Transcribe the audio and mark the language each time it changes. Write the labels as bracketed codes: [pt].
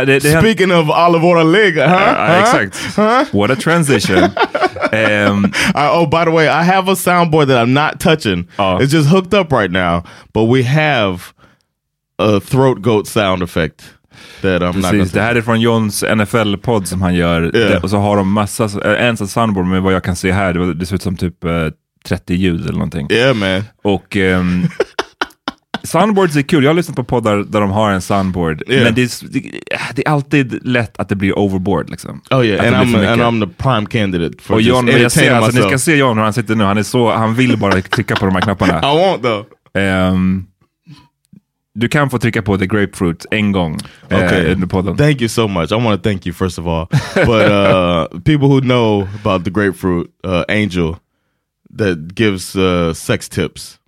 [en] Speaking of Olive Oil League, huh? [sv] Exakt. Huh? [en] What a transition. By the way, I have a soundboard that I'm not touching. It's just hooked up right now, but we have a throat goat sound effect. [sv] Precis, det här är från Jons NFL-podd som han gör. Och så har de massa ensam soundboard med vad jag kan se här. Det ser ut som typ 30 ljud eller någonting. [en] Yeah, man. [sv] Och soundboards är kul. Jag har lyssnat på poddar där de har en soundboard. [en] Yeah. [sv] Men det är alltid lätt att det blir overboard liksom. [en] Oh yeah, and I'm the prime candidate for [sv] och John, [en] just [sv] jag ser, alltså, ni ska se John hur han sitter nu. Han vill bara trycka på de här knapparna. [en] I won't though. [sv] Du kan få trycka på The Grapefruit en gång. [en] Okay. Thank you so much. I want to thank you, first of all. But people who know about The Grapefruit, Angel, that gives sex tips.